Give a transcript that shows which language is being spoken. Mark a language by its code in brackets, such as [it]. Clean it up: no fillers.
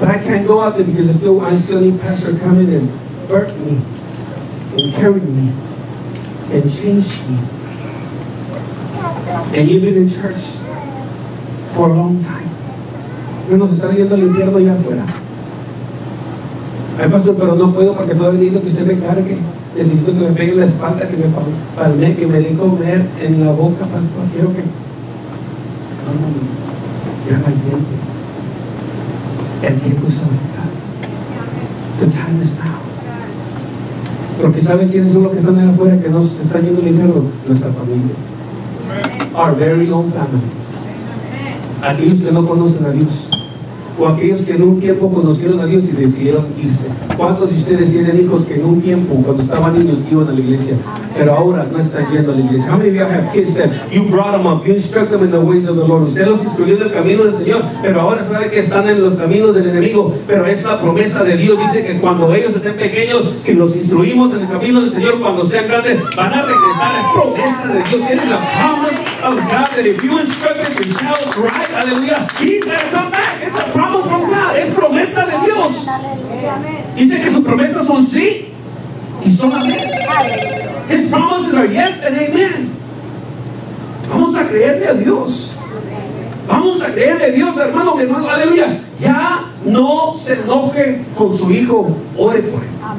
[en] But I can't go out there because I still need pastor coming and burp me and carry me and change me. And you've been in church for a long time. [es] Menos están yendo al infierno allá afuera. Ay, pastor, pero no puedo porque todavía necesito que usted me cargue. Necesito que me pegue en la espalda, que me palme, que me dé comer en la boca, pastor. Quiero que. Ya no hay tiempo. El tiempo es ahorita. [en] The time is now. [es] Porque ¿saben quiénes son los que están allá afuera que nos están yendo al infierno? Nuestra familia. [en] Our very own family. [es] Aquellos que no conocen a Dios. O aquellos que en un tiempo conocieron a Dios y decidieron irse. ¿Cuántos de ustedes tienen hijos que en un tiempo, cuando estaban niños, iban a la iglesia, pero ahora no están yendo a la iglesia? [en] How many of you have kids that you brought them up, you instruct them in the ways of the Lord? [es] Usted los instruyó en el camino del Señor, pero ahora sabe que están en los caminos del enemigo. Pero es la promesa de Dios, dice que cuando ellos estén pequeños, si los instruimos en el camino del Señor, cuando sean grandes, van a regresar. Es promesa de Dios. Tienes la promesa [en] of God that if you instruct him to shout right, aleluya, he's gonna come back. It's a promise from God. [es] Es promesa de Dios. Dice que sus promesas son sí y son amén. [en] His promises are yes and amen. [es] Vamos a creerle a Dios. Vamos a creerle a Dios, hermano, mi hermano, aleluya. Ya no se enoje con su hijo, ore por él.